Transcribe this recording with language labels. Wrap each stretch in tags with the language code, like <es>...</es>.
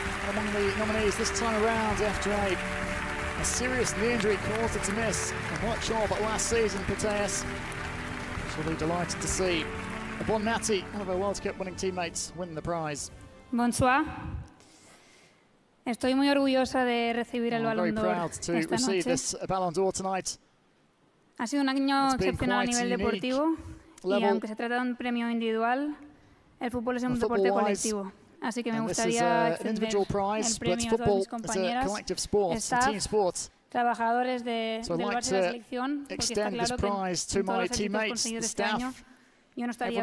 <en>Among the nominees this time around, after a serious knee injury caused her to miss a white job last season, Putellas. She'll be delighted to see Bonmati, one of our World Cup winning teammates, win the prize.</en> <fr>Bonsoir.</fr> <es>Estoy muy orgullosa de recibir el Ballon d'Or.</es> <en>I'm very proud to receive this Ballon d'Or tonight.</en> <es>Ha sido un año excepcional a nivel deportivo. Y aunque se trata de un premio individual, el fútbol es un deporte colectivo. Así que me gustaría extender el premio a todas mis compañeras, staff, trabajadores de la selección, porque está claro que en todos los equipos conseguidos este año, yo no estaría</es>